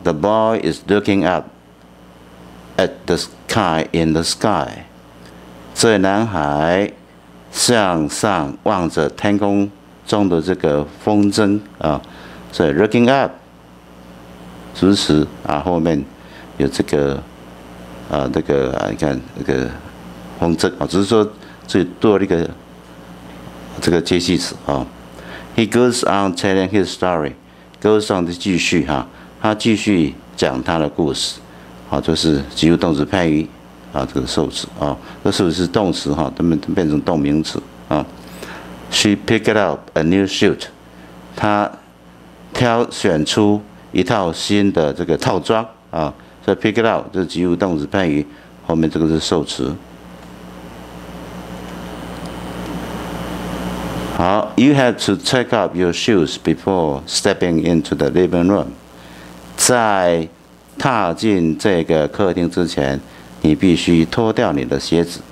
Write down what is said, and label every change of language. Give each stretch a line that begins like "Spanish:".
English: The boy is looking up at the sky in the sky。
Chinese: 这男孩向上望着天空中的这个风筝啊，所以
English: looking up
Chinese: 主词啊，后面有这个啊，这个啊，你看这个风筝啊，只是说这多了一个这个介系词啊。
English: He goes on telling his story。 goes on
Chinese: 的继续哈，他继续讲他的故事，好，就是及物动词片语啊，这个受词啊，这是不是动词哈？它们变成动名词啊。
English: She picked up a new suit，
Chinese: 她挑选出一套新的这个套装啊。所以
English: pick it up
Chinese: 就是及物动词片语，后面这个是受词。
English: 好 ，You have to check up your shoes before stepping into the living room。
Chinese: 在踏进这个客厅之前，你必须脱掉你的鞋子。